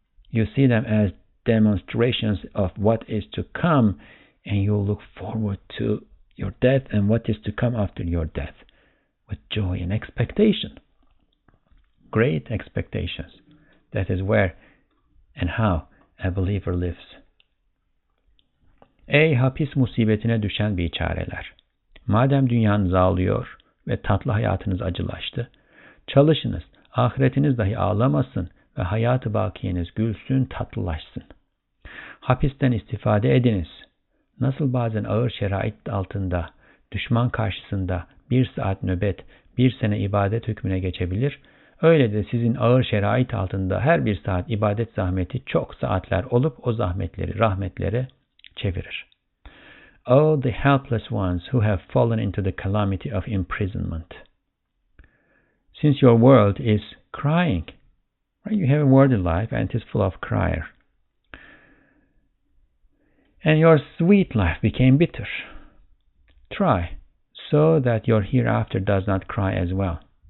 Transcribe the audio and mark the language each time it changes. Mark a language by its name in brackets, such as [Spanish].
[English] You see them as demonstrations of what is to come, and you look forward to your death and what is to come after your death with joy and expectation. great expectations. That is where and how a believer lives. [Turkish] Ey hapis musibetine düşen biçareler! Madem dünyanız ağlıyor ve tatlı hayatınız acılaştı, çalışınız, ahiretiniz dahi ağlamasın ve hayatı bakiyeniz gülsün, tatlılaşsın. Hapisten istifade ediniz. Nasıl bazen ağır şerait altında, düşman karşısında bir saat nöbet, bir sene ibadet hükmüne geçebilir, öyle de sizin ağır şerait altında her bir saat ibadet zahmeti çok saatler olup o zahmetleri rahmetlere çevirir. [English] Oh, the helpless ones who have fallen into the calamity of imprisonment. Since your world is crying, right? You have a worldly life and it is full of crier. And your sweet life became bitter. Try so that your hereafter does not cry as well.